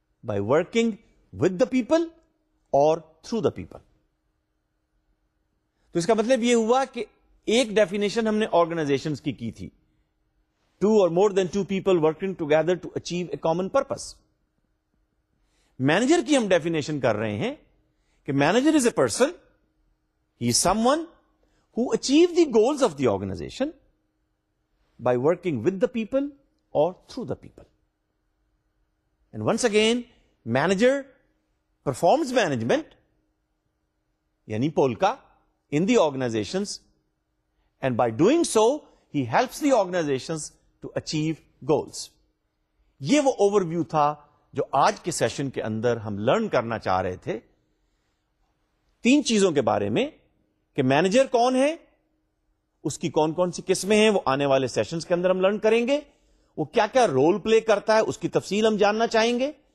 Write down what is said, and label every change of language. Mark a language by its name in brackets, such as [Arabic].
[English] by working with the people اور through the people [Urdu] تو اس کا مطلب یہ ہوا کہ ایک ڈیفینیشن ہم نے آرگنائزیشن کی تھی [English] two or more than two people working together to achieve a common purpose [Urdu] manager کی ہم ڈیفینیشن کر رہے ہیں کہ [English] Manager is a person he is someone who achieve the goals of the organization by working with the people or through the people. And once again, manager performs management, yani polka, in the organizations, and by doing so, he helps the organizations to achieve goals. [Urdu] Yeh wo overview tha, jo aaj ke session ke andar hum learn karna cha rahe the, teen cheezon ke baare mein, کہ manager کون ہے اس کی کون کون سی قسمیں ہیں وہ آنے والے سیشنز کے اندر ہم لرن کریں گے وہ کیا کیا رول پلے کرتا ہے اس کی تفصیل ہم جاننا چاہیں گے